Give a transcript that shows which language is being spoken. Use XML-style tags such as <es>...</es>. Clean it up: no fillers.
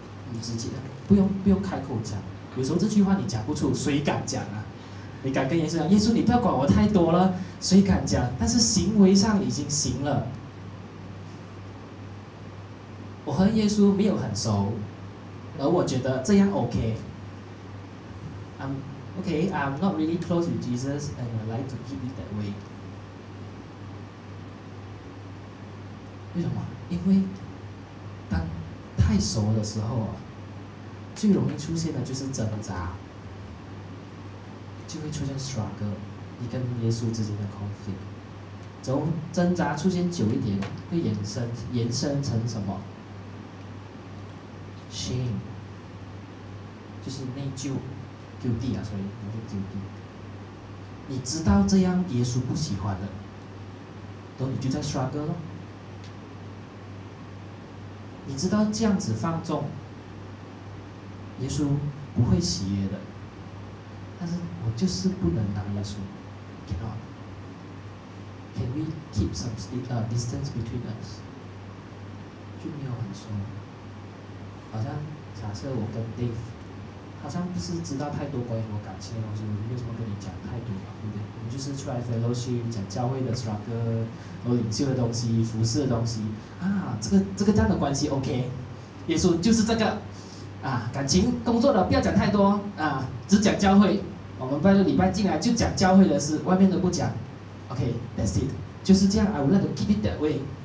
<zh>你直接不用开口讲，有时候这句话你讲不出，谁敢讲啊？你敢跟耶稣讲，耶稣你不要管我太多了，谁敢讲？但是行为上已经行了。我和耶稣没有很熟。而我觉得这样</zh> <en>OK， I'm not really close with Jesus and I like to keep it that way。</en> <zh>为什么？因为当太熟的时候，最容易出现的就是挣扎，就会出现 struggle， 你跟耶稣之间的 conflict。从挣扎出现久一点，会延伸成什么？ shame，就是内疚 guilty 啊，所以不是 guilty。你知道这样耶稣不喜欢的，然后你就在 struggle 咯。你知道这样子放纵耶稣不会喜悦的，但是我就是不能拿耶稣。</zh> <en>cannot。 Can we keep some distance between us？</en> <zh>就没有很熟。好像假设我跟 Dave好像不是知道太多关于我感情的东西，我没有什么跟你讲太多嘛，对不对？我们就是出来 fellowship 讲教会的 struggle， 我领袖的东西，服侍的东西啊，这个这样的关系 OK。耶稣就是这个啊，感情工作的不要讲太多啊，只讲教会。我们拜六礼拜进来就讲教会的事，外面都不讲。</zh> <en>OK， that's it，</en> <zh>就是这样。</zh> <en>I would like to keep it that way。</en>